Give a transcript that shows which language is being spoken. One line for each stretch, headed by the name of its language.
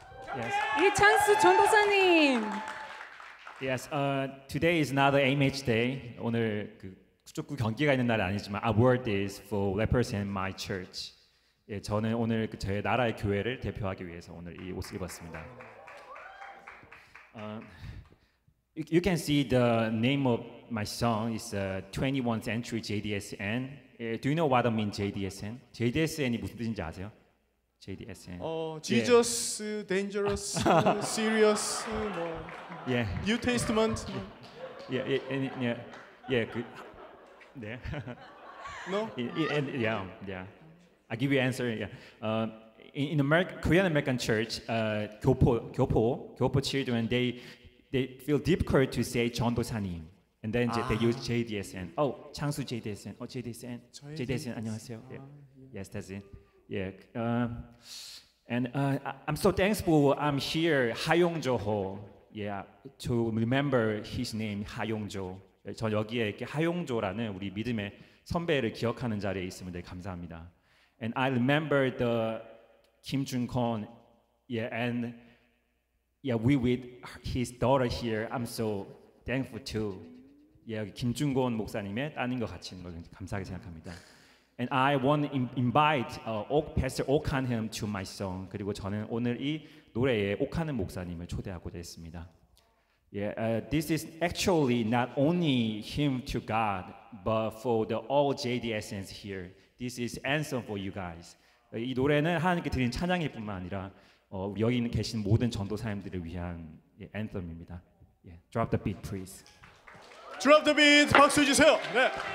Korean: Yes. 이창수 전도사님.
English: Yes. Today is not an AMH day.
Korean: 오늘 그 축구 경기가 있는 날은 아니지만
English: award is for rappers in my church.
Korean: 예, 저는 오늘 제 나라의 교회를 대표하기 위해서 오늘 이 옷을 입었습니다.
English: You can see the name of my song is 21st Century JDSN. Yeah, do you know what I mean JDSN?
Korean: JDSN이 무슨 뜻인지 아세요? JDSN.
English: Jesus, yeah. Dangerous, Serious, yeah. New Testament. Yeah, yeah, yeah, yeah, yeah, 그, 네. No? Yeah, yeah. yeah. I give you answer. Yeah. In American, Korean American church, 교포 children, they feel difficult to say 전도사님, and then they use JDSN. Oh, 창수 JDSN. Oh, JDSN. JDSN.
Korean: 안녕하세요.
English: Yeah. Yes, that's it. Yeah. I'm so thankful. I'm here. 하용조호. Yeah. To remember his name, 하용조.
Korean: 저 여기에 이렇게 하용조라는 우리 믿음의 선배를 기억하는 자리에 있습니다. 감사합니다.
English: And I remember the Kim Jun Kwon, yeah, and yeah, we with his daughter here. I'm so thankful to, yeah,
Korean: Kim Jun Kwon 목사님의 따님과 같이 있는 걸 감사하게 생각합니다.
English: And I want to invite Pastor Oh Kan-hyun to my song.
Korean: 그리고 저는 오늘 이 노래에 오칸은 목사님을 초대하고자 했습니다.
English: Yeah, this is actually not only him to God, but for the all JDSNs here. This is answer for you guys.
Korean: 이 노래는 하나님께 드린 찬양일 뿐만 아니라 우리 여기 계신 모든 전도사님들을 위한 anthem입니다.
English: Yeah. Drop the beat, please. Drop the beat.
Korean: 박수 주세요. 네.